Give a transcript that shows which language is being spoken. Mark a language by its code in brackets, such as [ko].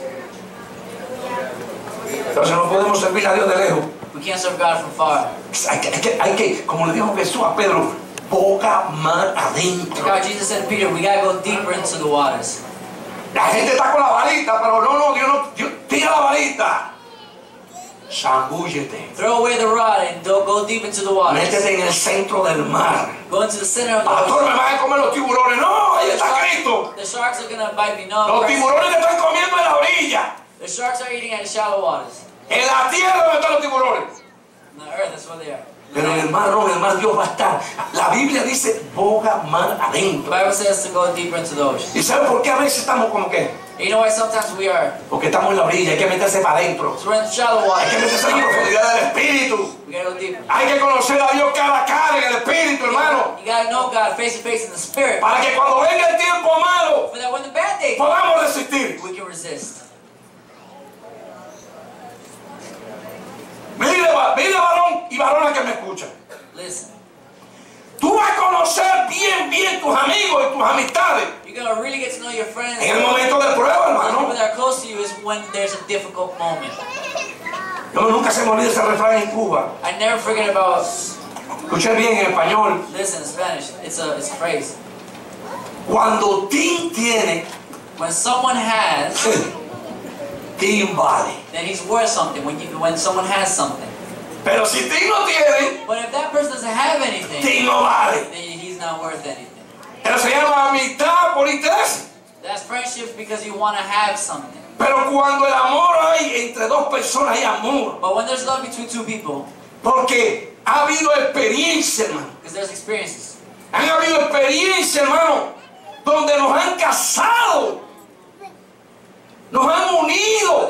[es] Entonces no podemos servir a Dios de lejos. [en] We can't serve God from far. [es] Hay que, como le dijo Jesús a Pedro, boca más adentro. [en] God, Jesus said to Peter, we gotta go deeper into the waters. [es] La gente está con la varita, pero no, Dios no, Dios, tira la varita. Sangúllete. [en] Throw away the rod and don't go deep into the water. [es] Métete en el centro del mar. [en] Go into the center of the water. [es] Pastor, me van a comer los tiburones. No, ahí está Cristo. [en] The sharks are going to bite me. No, [es] los tiburones te están comiendo en la orilla. [en] The sharks are eating at shallow waters. [es] En la tierra donde están los tiburones. [en] In the earth, that's where they are. [es] Pero mi hermano, Dios va a estar. La Biblia dice, boga más adentro. [en] The Bible says to go deeper into the ocean. [es] ¿Y sabes por qué a veces estamos como que? [en] You know why sometimes we are? [es] Porque estamos en la orilla, hay que meterse para adentro. [en] So we're in the shallow water. [es] Hay que meterse en la profundidad del Espíritu. [en] We gotta go deeper. [es] Hay que conocer a Dios cara a cara en el Espíritu, hermano. [en] You gotta know God face to face in the Spirit. [es] Para que cuando venga el tiempo malo, [en] for that when the bad days, [es] podamos resistir. [en] We can resist. [es] Mire, varón y varona que me escucha. [en] Listen. [es] Tú vas a conocer bien, bien tus amigos y tus amistades. [en] You're gonna really get to know your friends. [es] En el momento de prueba, hermano. [en] People that are close to you is when there's a difficult moment. [es] Yo nunca se me olvida ese refrán en Cuba. [en] I never forget about. [es] Escuché bien en español. [en] Listen, Spanish. It's a phrase. [es] Cuando Tim tiene. [en] When someone has. [es] Tim vale. [en] Then he's worth something when someone has something. [es] Pero si Tim no tiene. [en] But if that person doesn't have anything. [es] Tim no vale. [en] Then he's not worth anything. [es] Pero se llama amistad por interés. [en] That's friendship because you want to have something. [es] Pero cuando el amor hay entre dos personas hay amor. [en] But when there's love between two people. [es] Porque ha habido experiencia, hermano. [en] Because there's experiences. [es] Han habido experiencia, hermano, donde nos han casado. Nos han unido.